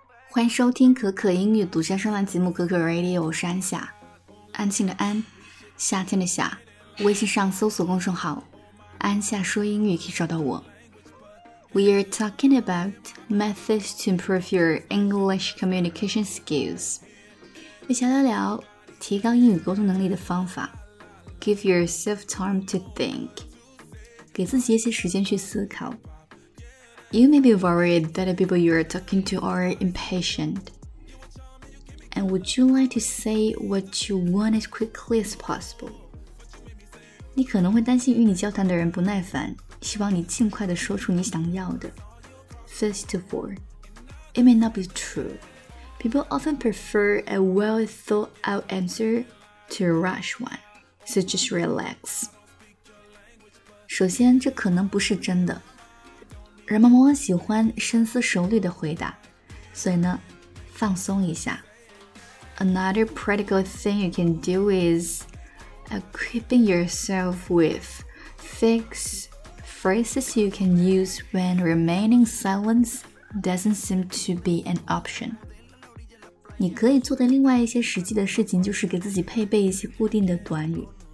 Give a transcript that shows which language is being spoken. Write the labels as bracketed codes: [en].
[zh] 欢迎收听可可英语独家专栏节目可可 Radio， 我是安夏，安静的安，夏天的夏。微信上搜索公众号安夏说英语可以找到我。 [en] We are talking about methods to improve your English communication skills. [zh] 一起聊聊提高英语沟通能力的方法。 [en] Give yourself time to think. [zh] 给自己一些时间去思考。 [en] You may be worried that the people you are talking to are impatient. And would you like to say what you want as quickly as possible? [zh] 你可能会担心与你交谈的人不耐烦。希望你尽快地说出你想要的。 [en] First of all, it may not be true. People often prefer a well-thought-out answer to a rush one, so just relax. [zh] 首先，这可能不是真的。人们往往喜欢深思熟虑的回答，所以呢，放松一下。 [en] Another practical thing you can do is equipping yourself with phrases you can use when remaining silence doesn't seem to be an option. [zh] 你可以做的另外一些实际的事情就是给自己配备一些固定的短语。